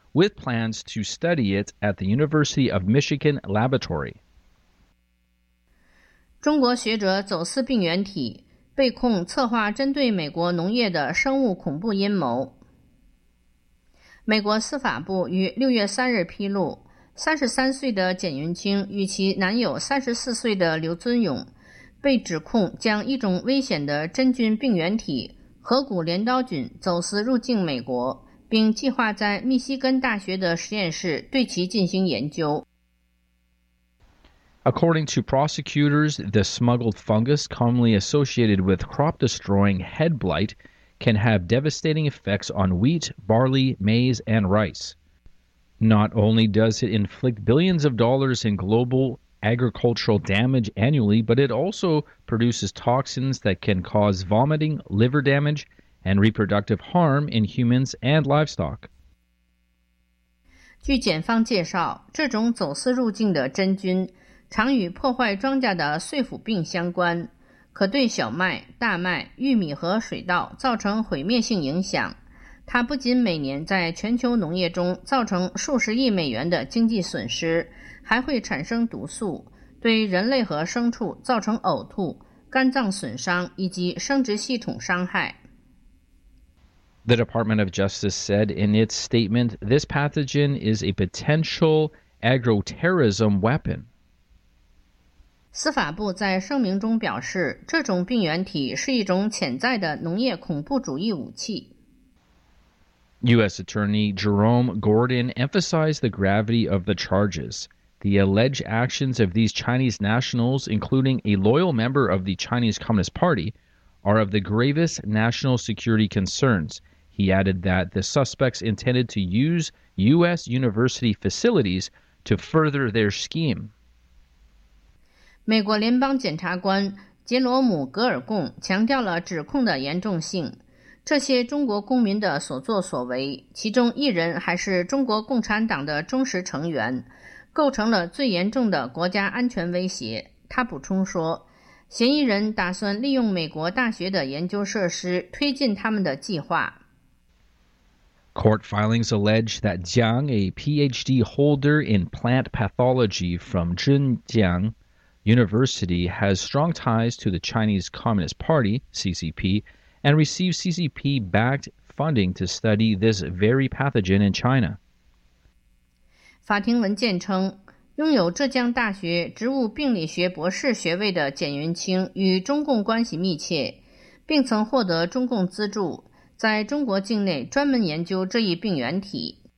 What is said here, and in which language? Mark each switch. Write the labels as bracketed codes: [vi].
[en] with plans to study it at the University of Michigan Laboratory. [zh] 中国学者走私病原体被控策划针对美国农业的生物恐怖阴谋。美国司法部于6月3日披露，33岁的简云清与其男友34岁的刘尊勇被指控将一种危险的真菌病原体河谷镰刀菌走私入境美国，并计划在密西根大学的实验室对其进行研究。 [en] According to prosecutors, the smuggled fungus, commonly associated with crop-destroying head blight, can have devastating effects on wheat, barley, maize, and rice. Not only does it inflict billions of dollars in global agricultural damage annually, but it also produces toxins that can cause vomiting, liver damage, and reproductive harm in humans and livestock. [zh] 据检方介绍，这种走私入境的真菌常与破坏庄稼的碎腐病相关，可对小麦、大麦、玉米和水稻造成毁灭性影响。它不仅每年在全球农业中造成数十亿美元的经济损失，还会产生毒素，对人类和牲畜造成呕吐、肝脏损伤以及生殖系统伤害。 [en] The Department of Justice said in its statement, this pathogen is a potential agroterrorism weapon. [zh] 司法部在声明中表示，这种病原体是一种潜在的农业恐怖主义武器。 [en] U.S. Attorney Jerome Gordon emphasized the gravity of the charges. The alleged actions of these Chinese nationals, including a loyal member of the Chinese Communist Party, are of the gravest national security concerns. He added that the suspects intended to use U.S. university facilities to further their scheme. [zh] 美国联邦检察官杰罗姆·格尔贡强调了指控的严重性，这些中国公民的所作所为，其中一人还是中国共产党的忠实成员，构成了最严重的国家安全威胁。他补充说，嫌疑人打算利用美国大学的研究设施推进他们的计划。 [en] Court filings allege that Jiang, a PhD holder in plant pathology from Zhenjiang,University has strong ties to the Chinese Communist Party, CCP, and receives CCP-backed funding to study this very pathogen in China. [zh] 法庭文件称，拥有浙江大学植物病理学博士学位的简云清与中共关系密切，并曾获得中共资助，在中国境内专门研究这一病原体。